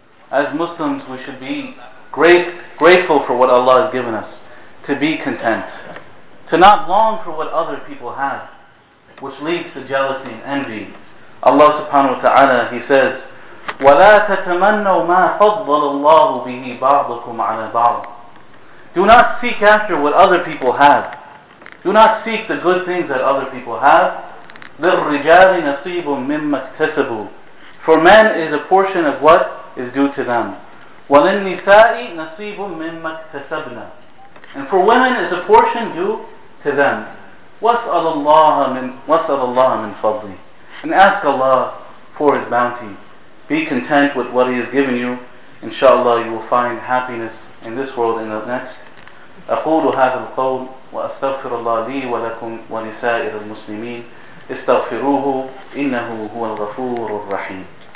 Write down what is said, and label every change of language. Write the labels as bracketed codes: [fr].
[en] As Muslims, we should be grateful for what Allah has given us, to be content, to not long for what other people have, which leads to jealousy and envy. Allah subhanahu wa ta'ala, He says, [ar] وَلَا تَتَمَنَّوْ مَا فَضَّلَ اللَّهُ بِهِ بَعْضُكُمْ عَلَى بَعْضٍ. [en] Do not seek after what other people have. Do not seek the good things that other people have. [ar] لِلْرِجَالِ نَصِيبٌ مِمَّا اكْتَسَبُوا. [en] For men is a portion of what is due to them. [ar] وَلِلْنِسَاءِ نَصِيبٌ مِمَّا اكْتَسَبْنَا. [en] And for women is a portion due to them. [ar] وَاسْأَلَ اللَّهَ مِنْ فَضْلِهِ. [en] And ask Allah for His bounty. Be content with what He has given you. Inshallah, you will find happiness in this world and the next. [ar] أقول هذا القول وأستغفر الله لي ولكم ولسائر المسلمين استغفروه إنه هو الغفور الرحيم.